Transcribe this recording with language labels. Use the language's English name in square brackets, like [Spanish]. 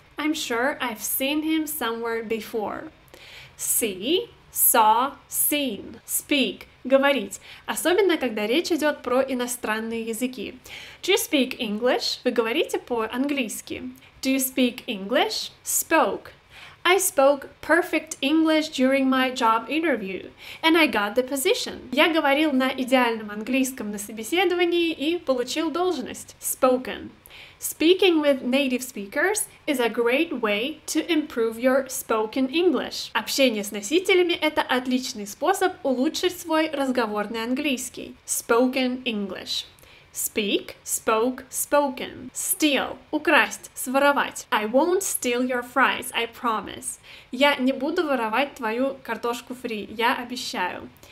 [English] I'm sure I've seen him somewhere before. See. Saw. Seen. Speak. [Russian] Говорить, особенно когда речь идет про иностранные языки. [English] Do you speak English? [Russian] Вы говорите по-английски. [English] Do you speak English? Spoke. I spoke perfect English during my job interview, and I got the position. [Russian] Я говорил на идеальном английском на собеседовании и получил должность. [English] Spoken. Speaking with native speakers is a great way to improve your spoken English. [Russian] Общение с носителями – это отличный способ улучшить свой разговорный английский. [English] Spoken English. Speak, spoke, spoken. Steal – [Russian] украсть, своровать. [English] I won't steal your fries, I promise. [Russian] Я не буду воровать твою картошку фри, я обещаю.